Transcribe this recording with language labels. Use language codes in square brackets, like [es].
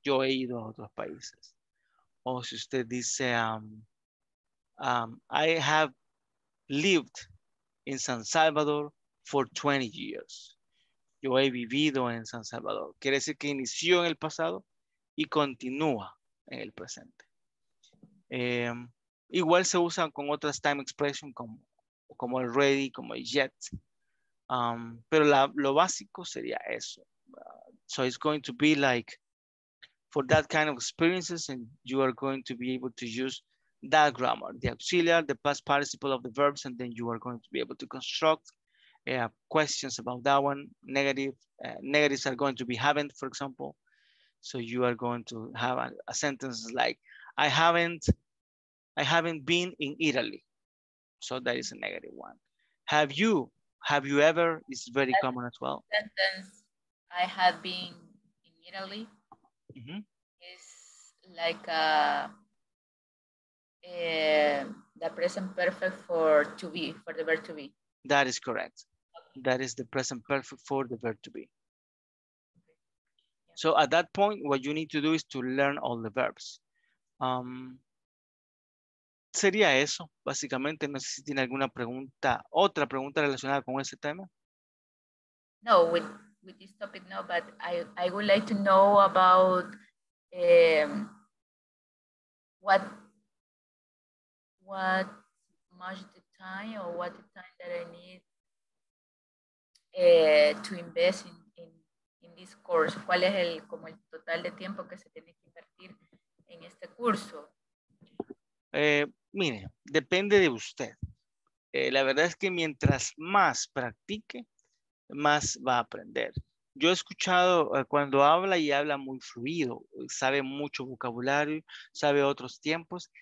[es] Yo he ido a otros países. O si usted dice, [en] I have lived in San Salvador for 20 years. [es] Yo he vivido en San Salvador. Quiere decir que inició en el pasado y continúa en el presente. Igual se usan con otras time expressions como el ready, como el yet. Pero lo básico sería eso. [en] So it's going to be like, for that kind of experiences, and you are going to be able to use that grammar, the auxiliary, the past participle of the verbs, and then you are going to be able to construct questions about that one. Negatives are going to be haven't, for example. So you are going to have a sentence like, I haven't been in Italy. So that is a negative one. Have you ever, is very common as well. Sentence, I have been in Italy. Mm-hmm. Is like the present perfect for to be, for the verb to be. That is correct. That is the present perfect for the verb to be. So at that point, what you need to do is to learn all the verbs. [es] Sería eso, básicamente. No sé si tiene alguna pregunta, otra pregunta relacionada con ese tema. [en] No, with this topic, no, but I would like to know about what much the time or what the time that I need to invest in this course. [es] ¿Cuál es el, como el total de tiempo que se tiene que invertir en este curso? Mire, depende de usted. La verdad es que mientras más practique, más va a aprender. Yo he escuchado cuando habla y habla muy fluido, sabe mucho vocabulario, sabe otros tiempos.